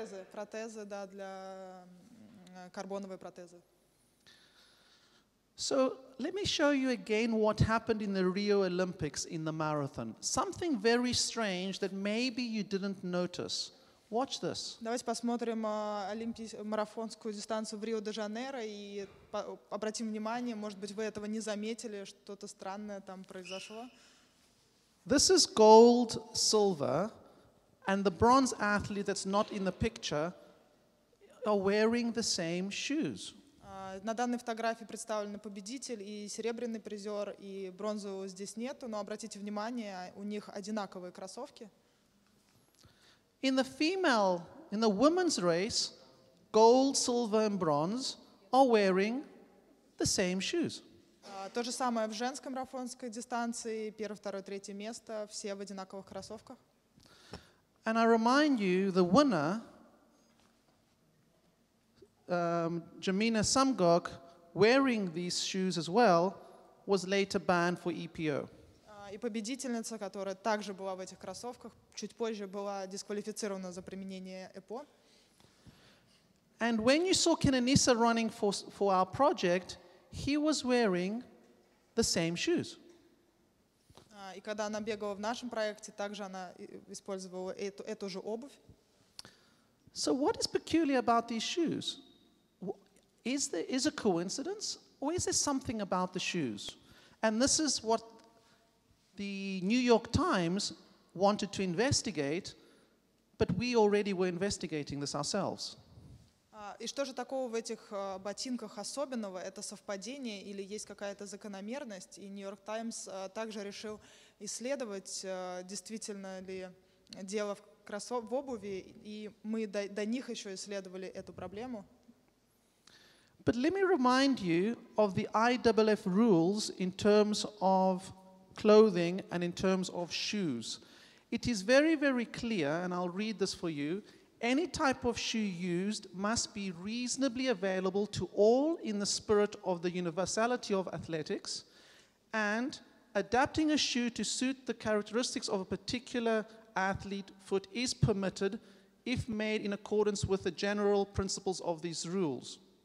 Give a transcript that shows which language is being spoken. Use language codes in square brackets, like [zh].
[ru] Протезы, да, для карбоновой протезы. [en] So let me show you again what happened in the Rio Olympics in the marathon. Something very strange that maybe you didn't notice. Watch this. [ru] Давайте посмотрим марафонскую дистанцию в Рио-де-Жанейро и обратим внимание, может быть, вы этого не заметили, что-то странное там произошло. [en] This is gold, silver, and the bronze athlete that's not in the picture are wearing the same shoes. [ru] На данной фотографии представлены победитель и серебряный призер, и бронзового здесь нету, но обратите внимание, у них одинаковые кроссовки. [en] In the female, in the women's race, gold, silver and bronze are wearing the same shoes. [ru] То же самое в женском марафонской дистанции, первое, второе, третье место, все в одинаковых кроссовках. [en] And I remind you, the winner, Jamina Sumgok, wearing these shoes as well, was later banned for EPO. [ru] И победительница, которая также была в этих кроссовках, чуть позже была дисквалифицирована за применение ЭПО. [en] And when you saw Kenanisa running for our project, he was wearing the same shoes. [ru] И когда она бегала в нашем проекте, также она использовала эту же обувь. [en] So what is peculiar about these shoes? Is a coincidence, or is there something about the shoes? And this is what the New York Times wanted to investigate, but we already were investigating this ourselves. [ru] И что же такого в этих ботинках особенного? Это совпадение или есть какая-то закономерность? И New York Times также решил исследовать, действительно ли дело в обуви, и мы до них еще исследовали эту проблему. [en] But let me remind you of the IAAF rules in terms of clothing and in terms of shoes. It is very, very clear, and I'll read this for you. Any type of shoe used must be reasonably available to all in the spirit of the universality of athletics, and adapting a shoe to suit the characteristics of a particular athlete foot is permitted if made in accordance with the general principles of these rules.